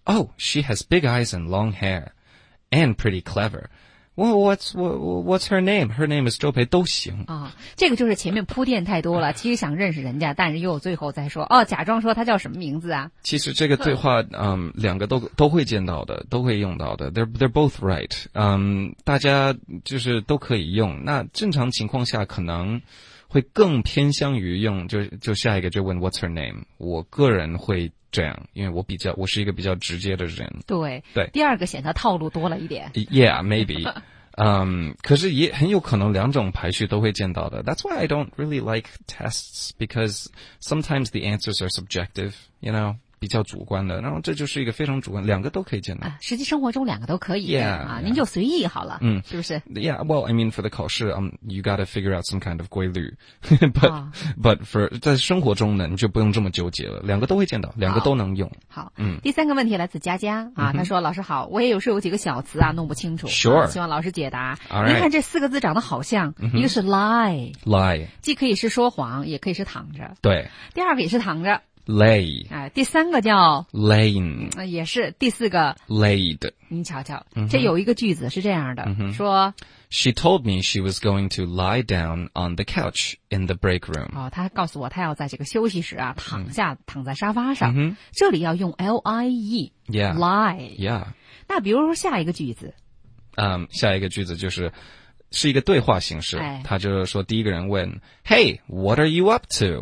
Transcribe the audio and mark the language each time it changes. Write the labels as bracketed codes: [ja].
[en] Oh, she has big eyes and long hair and pretty cleverWell, what's her name? Her name is 周培， [zh] 都行。啊、哦，这个就是前面铺垫太多了，其实想认识人家，但是又最后再说，哦，假装说他叫什么名字啊？其实这个对话，两个都会见到的，都会用到的。 [en] They're both right. [zh] 大家就是都可以用。那正常情况下可能会更偏向于用，就下一个就问 [en] what's her name? [zh] 我个人会这样，因为我是一个比较直接的人。对对，第二个显得套路多了一点。 [en] Yeah, maybe. [zh] 可是也很有可能两种排序都会见到的。 [en] That's why I don't really like tests because sometimes the answers are subjective, you know, [zh] 比较主观的。然后这就是一个非常主观，两个都可以见到。实际生活中两个都可以。 [en] Yeah, 啊、 yeah. [zh] 您就随意好了。嗯，是不是 [en] ？Yeah, well, I mean, for the 考试, you gotta figure out some kind of 规律。 But for [zh] 在生活中呢，你就不用这么纠结了。两个都会见到，两个都能用。好，第三个问题来自佳佳啊，他说：“老师好，我也有时候有几个小词啊弄不清楚。 [en] Sure, [zh] 啊、希望老师解答。 [en] All right. [zh] 您看这四个字长得好像， mm-hmm. 一个是 lie， 既可以是说谎，也可以是躺着。对，第二个也是躺着。 [en] lay、 [zh] 第三个叫 [en] lain、 [zh] 也是第四个 [en] laid。 [zh] 你瞧瞧、这有一个句子是这样的、说 [en] She told me she was going to lie down on the couch in the break room、 [zh] 她告诉我她要在这个休息室、躺下、躺在沙发上、这里要用 lie、 [en] yeah, lie、 yeah. [zh] 那比如说下一个句子、下一个句子就是是一个对话形式，他就说第一个人问 [en] Hey, what are you up to?